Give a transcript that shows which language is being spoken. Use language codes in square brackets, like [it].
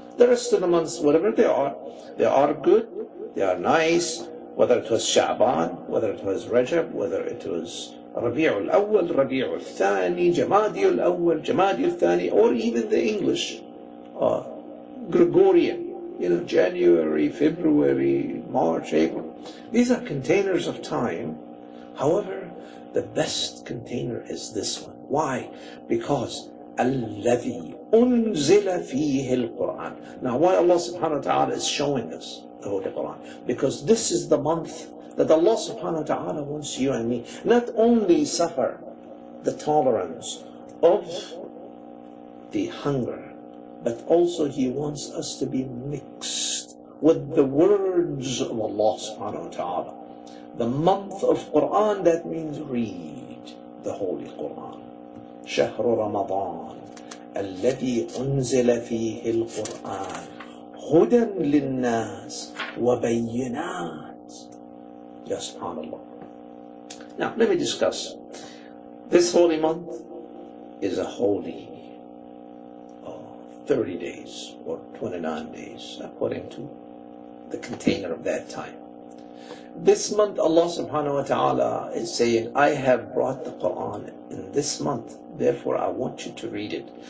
[en] The rest of the months, whatever they are good, they are nice, whether it was Sha'ban, whether it was Rajab, whether it was Rabi'ul Awwal, Rabi'ul Thani, Jamadiul Awwal, Jamadiul Thani, or even the English, Gregorian, you know, January, February, March, April. These are containers of time. However, the best container is this one. Why? Because [ar] الَّذِي أُنزِلَ فِيهِ الْقُرْآنِ. [en] Now, why Allah subhanahu wa ta'ala is showing us the Holy Quran? Because this is the month that Allah subhanahu wa ta'ala wants you and me not only suffer the tolerance of the hunger, but also He wants us to be mixed with the words of Allah subhanahu wa ta'ala. The month of Quran, that means read the Holy Quran. [ar] شهر رمضان الذي أنزل فيه القرآن هدى للناس وبينات. [en] Yes, subhanAllah. Now, let me discuss. This holy month is a holy 30 days or 29 days according to the container of that time. This month Allah subhanahu wa ta'ala is saying, I have brought the Quran in this month, therefore I want you to read it.